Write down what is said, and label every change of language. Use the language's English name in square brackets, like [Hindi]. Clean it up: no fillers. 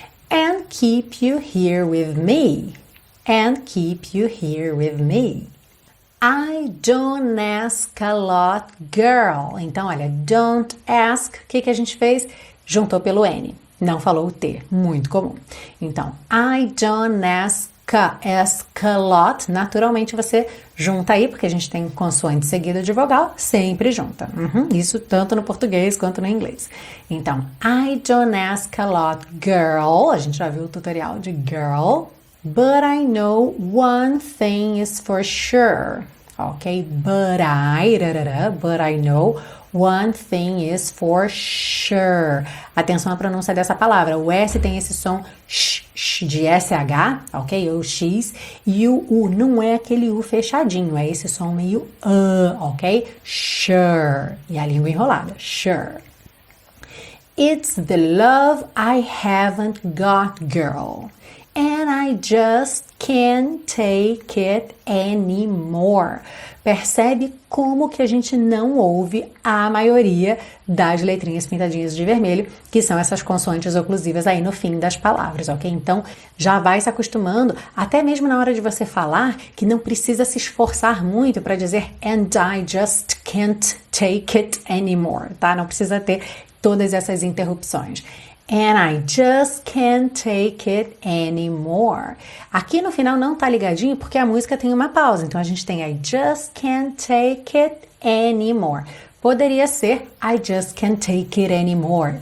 [English] And keep you here with me. And keep you here with me. I don't ask a lot, girl. [Portuguese] Então olha, [English] don't ask, [Portuguese] o que que a gente fez? Juntou pelo N. Não falou o T, muito comum. Então, [English] I don't ask a lot. [Portuguese] Naturalmente você junta aí, porque a gente tem consoante seguida de vogal, sempre junta. Isso tanto no português quanto no inglês. [English] Então, I don't ask a lot, girl. [Portuguese] A gente já viu o tutorial de girl. [English] But I know one thing is for sure. Ok? But I know. One thing is for sure. [Portuguese] Atenção à pronúncia dessa palavra. O S tem esse som sh, sh, de SH, ok? Ou X. E o U não é aquele U fechadinho. É esse som meio ok? Sure. E a língua enrolada. Sure. [English] It's the love I haven't got, girl. And I just can't take it anymore. [Portuguese] Percebe como que a gente não ouve a maioria das letrinhas pintadinhas de vermelho, que são essas consoantes oclusivas aí no fim das palavras, ok? Então, já vai se acostumando, até mesmo na hora de você falar, que não precisa se esforçar muito para dizer [English] and I just can't take it anymore, [Portuguese] tá? Não precisa ter todas essas interrupções. [English] And I just can't take it anymore. [Portuguese] Aqui no final não tá ligadinho porque a música tem uma pausa. Então a gente tem [English] I just can't take it anymore. [Portuguese] Poderia ser [English] I just can't take it anymore.